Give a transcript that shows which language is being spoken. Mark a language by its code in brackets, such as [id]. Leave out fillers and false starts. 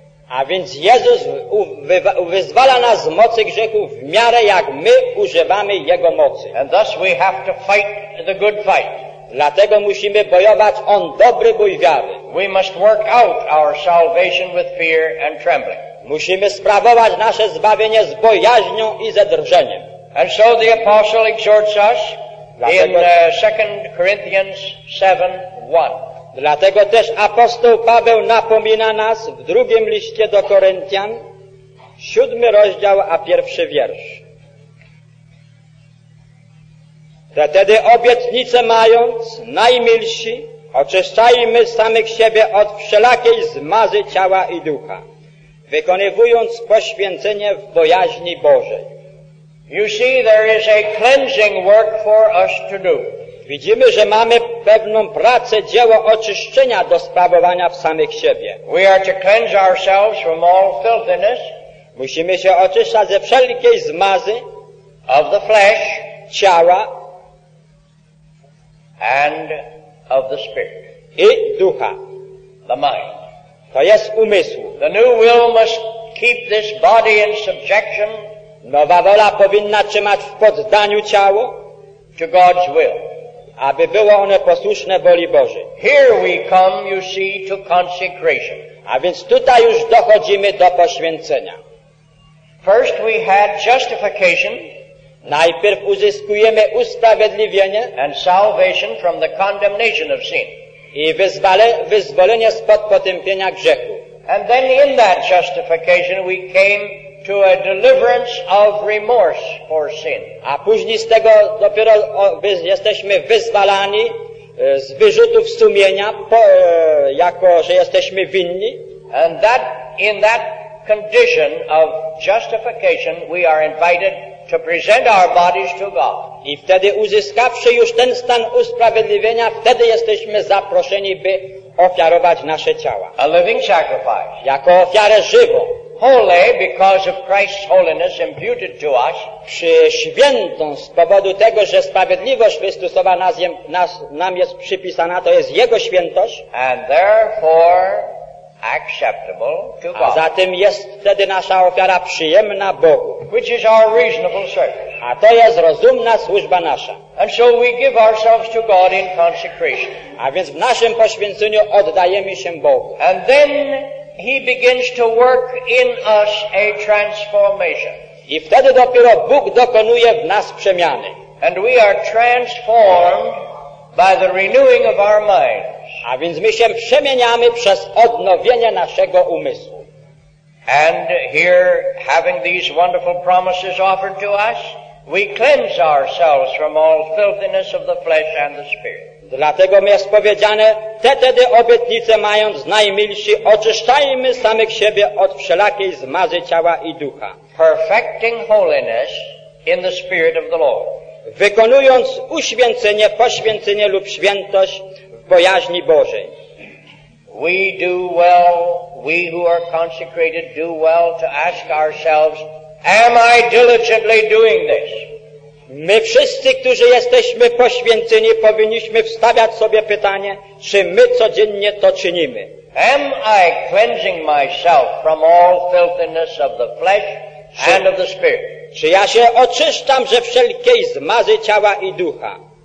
[pl] A więc Jezus wyzwala nas z mocy grzechu w miarę jak my używamy jego mocy. [en] And thus we have to fight the good fight. [pl] Dlatego musimy bojować o dobry bój wiary. [en] We must work out our salvation with fear and trembling. [pl] Musimy sprawować nasze zbawienie z bojaźnią i ze drżeniem. [en] And so the apostle exhorts us in 2 Corinthians 7:1. [pl] Dlatego też apostoł Paweł napomina nas w drugim liście do Koryntian, 7 rozdział, a 1 wiersz. Wtedy obietnicę mając, najmilsi, oczyszczajmy samych siebie od wszelakiej zmazy ciała i ducha, wykonywując poświęcenie w bojaźni Bożej. [en] You see, there is a cleansing work for us to do. [pl] Widzimy, że mamy pewną pracę, dzieło oczyszczenia do sprawowania w samych siebie. [en] We are to cleanse ourselves from all filthiness. [pl] Musimy się oczyszczać ze wszelkiej zmazy [en] of the flesh, [pl] ciała [en] and of the spirit, [pl] i ducha, [en] the mind. [pl] To jest umysł. [en] The new will must keep this body in subjection. [pl] Nowa wola powinna trzymać w poddaniu ciało, [en] to God's will, [pl] aby było one posłuszne woli Bożej. [en] Here we come, you see, to consecration. [pl] A więc tutaj już dochodzimy do poświęcenia. [en] First we had justification. [pl] Najpierw uzyskujemy usprawiedliwienie [en] and salvation from the condemnation of sin. [pl] I wyzwolenie spod potępienia grzechu. [en] And then in that justification we came to a deliverance of remorse for sin. [pl] A później z tego dopiero jesteśmy wyzwalani z wyrzutów sumienia, jako że jesteśmy winni. [en] And that, in that condition of justification, we are invited to present our bodies to God. [pl] I wtedy, uzyskawszy już ten stan usprawiedliwienia, wtedy jesteśmy zaproszeni, by ofiarować nasze ciała. [en] A living sacrifice. [pl] Jako ofiarę żywą. [en] Holy, because of Christ's holiness imputed to us. [pl] Przyświętą z powodu tego, że sprawiedliwość Chrystusowa nam jest przypisana, to jest Jego świętość. [en] And therefore acceptable to God. [pl] A zatem jest wtedy nasza ofiara przyjemna Bogu. [en] Which is our reasonable service. [pl] A to jest rozumna służba nasza. [en] And so we give ourselves to God in consecration. [pl] A więc w naszym poświęceniu oddajemy się Bogu. [en] And then He begins to work in us a transformation. [pl] I wtedy dopiero Bóg dokonuje w nas przemiany. [en] And we are transformed by the renewing of our minds. [pl] A więc my się przemieniamy przez odnowienie naszego umysłu. [en] And here, having these wonderful promises offered to us, we cleanse ourselves from all filthiness of the flesh and the spirit. [pl] Dlatego mi jest powiedziane, wtedy obietnice mając, najmilsi, oczyszczajmy samych siebie od wszelakiej zmazy ciała i ducha. [en] Perfecting holiness in the spirit of the Lord. [pl] Wykonując uświęcenie, poświęcenie lub świętość w bojaźni Bożej. [en] We do well, we who are consecrated do well to ask ourselves, am I diligently doing this? [pl] My wszyscy, którzy jesteśmy poświęceni, powinniśmy wstawiać sobie pytanie, czy my codziennie to czynimy. [en] Am I cleansing myself from all filthiness of the flesh and of the spirit? [pl] Czy ja się oczyszczam ze wszelkiej zmazy ciała i ducha?